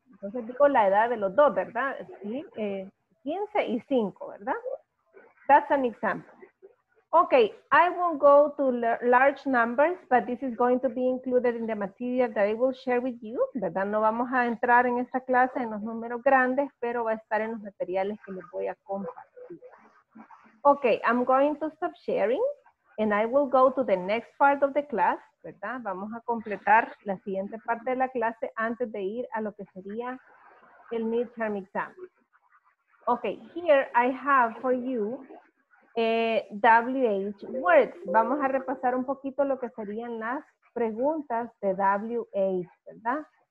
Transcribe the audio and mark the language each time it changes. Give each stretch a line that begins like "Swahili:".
Spanish: Entonces digo la edad de los dos, ¿verdad? Sí, 15 y 5, ¿verdad?
English: That's an example. Okay, I won't go to large numbers, but this is going to be included in the material that I will share with you,
Spanish: ¿verdad? No vamos a entrar en esta clase en los números grandes, pero va a estar en los materiales que les voy a compartir.
English: Okay, I'm going to stop sharing, and I will go to the next part of the class,
Spanish: ¿verdad? Vamos a completar la siguiente parte de la clase antes de ir a lo que sería el midterm exam.
English: Okay, here I have for you WH words.
Spanish: Vamos a repasar un poquito lo que serían las preguntas de WH, ¿verdad?